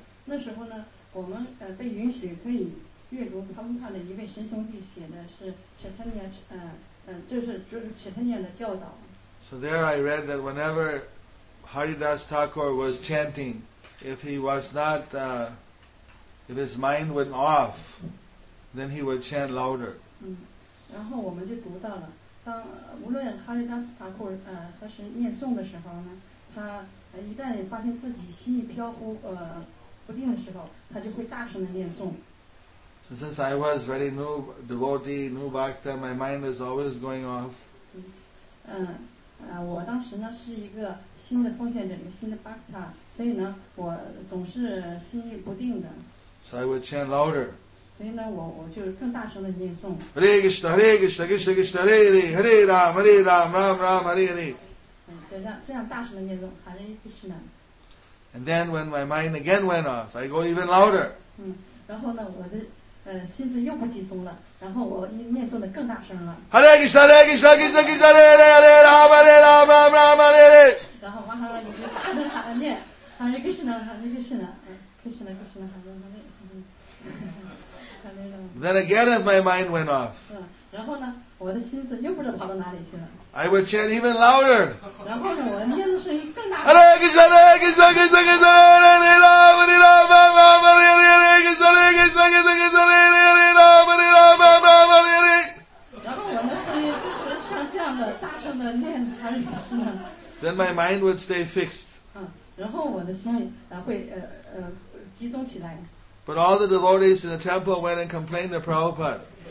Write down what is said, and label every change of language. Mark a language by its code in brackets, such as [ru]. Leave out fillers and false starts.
[en] So there I read that whenever Haridas Thakur was chanting, if he was not, if his mind went off, then he would chant louder. [zh] 然后我们就读到了当无论哈利达斯塔库何时念诵的时候呢，他一旦发现自己心意飘忽不定的时候，他就会大声的念诵。 [en] So since I was very new devotee, new bhakta, my mind was always going off. [zh] 我当时呢是一个新的奉献者，新的 bhakta， 所以呢我总是心意不定的。 [en] So I would chant louder. [zh] 所以呢，我就更大声的念诵。 [sa] Hare Krishna, Hare Krishna, Krishna Krishna, Hare Hare, Hare Rama, Hare Rama, Ram Ram, Hare Hare. [zh] 这样大声的念诵 Hare Krishna. [en] And then when my mind again went off, I go even louder. [zh] 然后呢，我的心思又不集中了，然后我念诵的更大声了。 [sa] Hare Krishna, Hare Krishna, Krishna Krishna, Hare Hare, Hare Rama, Hare Rama, Ram Ram, Hare Hare. [zh] 然后马上我就大声念 [sa] Hare Krishna, Hare Krishna, Krishna Krishna, Hare Hare. [en] Then again, if my mind went off, [zh] 然后呢，我的心思又不知道跑到哪里去了。 [en] I would chant even louder. [zh] 然后呢，我念的声音更大。 [sa] Hare Krishna, Hare Krishna, Krishna Krishna, Hare Hare, Hare Rama, Hare Rama, Rama Rama, Hare Hare, Hare Krishna, Hare Krishna, Krishna Krishna, Hare Hare, Hare Rama, Hare Rama, Rama Rama, Hare Hare. [zh] 然后我的声音就是像这样的大声的念哈利路亚。 [en] Then my mind would stay fixed. [zh] 然后我的心会集中起来。 [en] But all the devotees in the temple went and complained to Prabhupada.